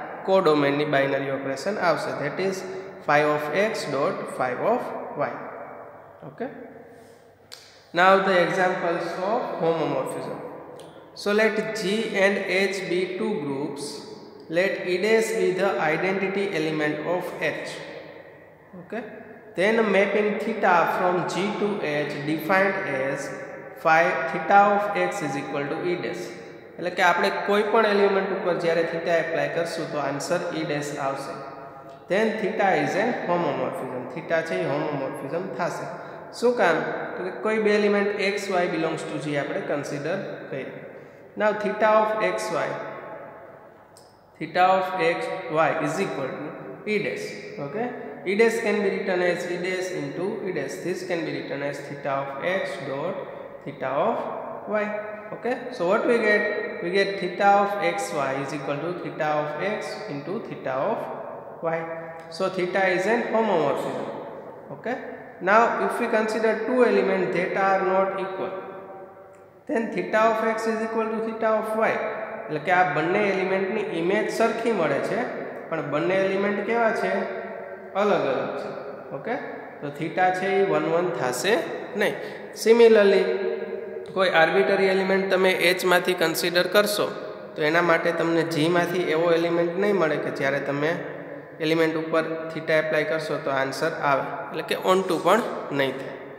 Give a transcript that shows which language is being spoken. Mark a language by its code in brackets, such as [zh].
[gu] કોડોમેનની binary operation આવશે, [en] That is 5 of x dot 5 of y. Okay, now the examples of homomorphism. So let G and H be two groups, let e dash be the identity element of H. Okay, then mapping theta from G to H defined as phi theta of x is equal to e dash. [gu] એટલે કે આપણે કોઈ પણ element ઉપર જ્યારે theta apply કરશું તો answer e dash આવશે. [en] then theta is a homomorphism, [gu] theta છે એ homomorphism થશે. શું કામ? તો કે કોઈ બે element x Y belongs two G આપણે કન્સિડર કરીએ. [en] now theta of x y, theta of x y is equal to e dash. okay, e dash can be written as e dash into e dash. This can be written as theta of x dot theta of y. Okay, so what we get? We get theta of x y is equal to theta of x into theta of y. So theta is a homomorphism. Okay, now if we consider two elements that are not equal, then theta of x is equal to theta of y. [gu] એટલે કે આ બંને એલિમેન્ટની image સરખી મળે છે, પણ બંને એલિમેન્ટ કેવા છે? અલગ અલગ છે. ઓકે, તો થીટા છે એ 1 1 થશે નહીં. સિમિલરલી કોઈ આર્બિટરી એલિમેન્ટ તમે એચમાંથી કન્સિડર કરશો તો એના માટે તમને જીમાંથી એવો એલિમેન્ટ નહીં મળે કે જ્યારે તમે એલિમેન્ટ ઉપર થીટા એપ્લાય કરશો તો આન્સર આવે, એટલે કે ઓન ટુ પણ નહીં થાય.